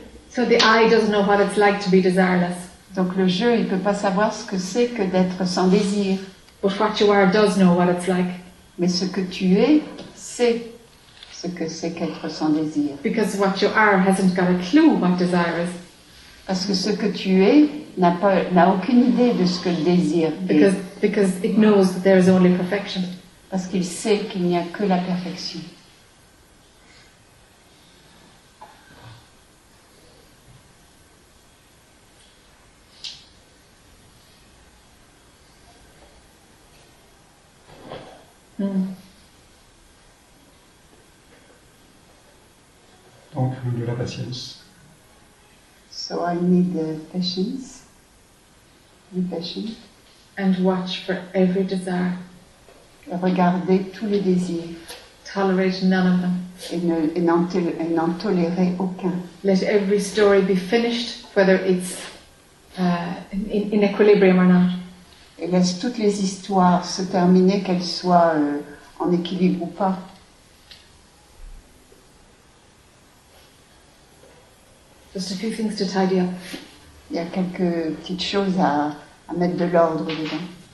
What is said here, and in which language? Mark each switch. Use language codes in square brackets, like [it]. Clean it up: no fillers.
[en] So the eye doesn't know what it's like to be desireless. [fr] Donc le jeu, il ne peut pas savoir ce que c'est que d'être sans désir. [en] But what you are does know what it's like. [fr] Mais ce que tu es, sait ce que c'est qu'être sans désir. [en] Because what you are hasn't got a clue what desire is. [fr] Parce que ce que tu es n'a pas, n'a aucune idée de ce que le désir est. [en] Because it knows that there is only perfection. [fr] Parce qu'il sait qu'il n'y a que la perfection. Donc de la patience. [en] So I need the patience. Be patient. And watch for every desire. [fr] Regardez tous les désirs. [en] Tolerate none of them. [fr] Et n'en tolérez aucun. [en] Let every story be finished, whether it's in equilibrium or not. [fr] Et laisse toutes les histoires se terminer, qu'elles soient en équilibre ou pas. [en] Just a few things to tidy up. [fr] Il y a quelques petites choses à mettre de l'ordre dedans.